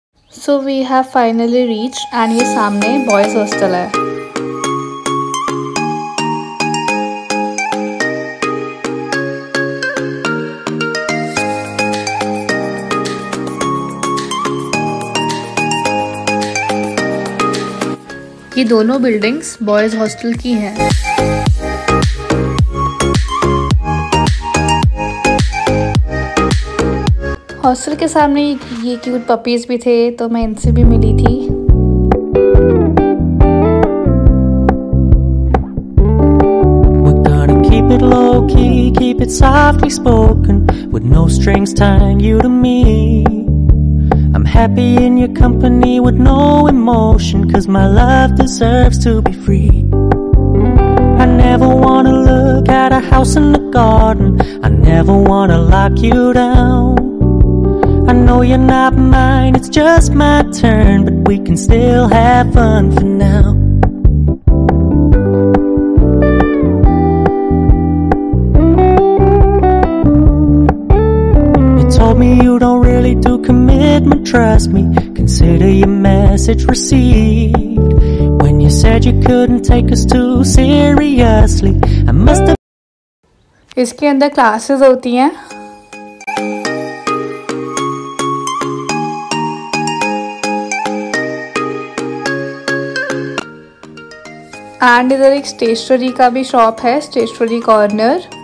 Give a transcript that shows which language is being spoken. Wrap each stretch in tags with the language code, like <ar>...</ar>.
<en>So we have finally reached and</en> <hi>ये सामने boys hostel है. ये दोनों buildings boys hostel की हैं. हॉस्टल के सामने ये क्यूट पपीज भी थे तो मैं इनसे भी मिली थी.</hi> <en>We're gonna keep it low key, keep it softly spoken, with no strings tying you to me. I'm happy in your company with no emotion, cause my love deserves to be free. I never wanna look at a house in the garden, I never wanna lock you down. I know you're not mine, it's just my turn, but we can still have fun for now. You told me you don't really do commitment, trust me, consider your message received. When you said you couldn't take us too seriously, I must have...</en> <hi>इसके अंदर classes होती हैं. And इधर एक stationery का भी shop है, stationery corner.</hi>